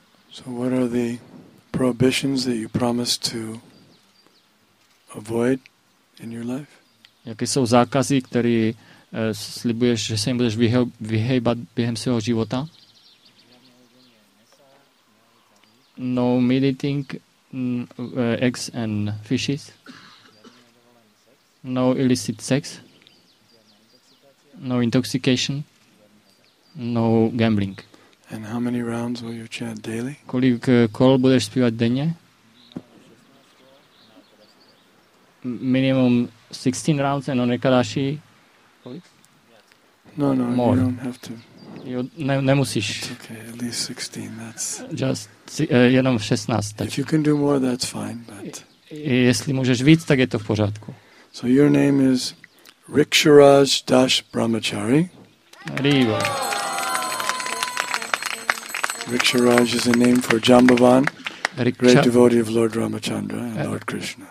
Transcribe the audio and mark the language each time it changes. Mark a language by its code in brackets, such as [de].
[en] So what are the prohibitions that you promised to avoid in your life? [cs] Jaké jsou zákazy, které slibuješ, že se jim budeš vyhejbat během svého života? [en] No meat eating, eggs and fishes. No illicit sex. No intoxication. No gambling. And how many rounds will you chant daily? [cs] Kolik kol budeš zpívat denně? [en] Minimum 16 rounds and on Ekadashi. No, more. You don't have to. [cs] Nemusíš. [en] That's okay, at least 16, that's... [cs] Just, jenom 16. [en] If you can do more, that's fine, but... [cs] Jestli můžeš víc, tak je to v pořádku. [en] So your name is Rikshiraj Das Brahmachari. Riva. Rikshiraj is a name for Jambavan. Great devotee of Lord Ramachandra and Lord Krishna.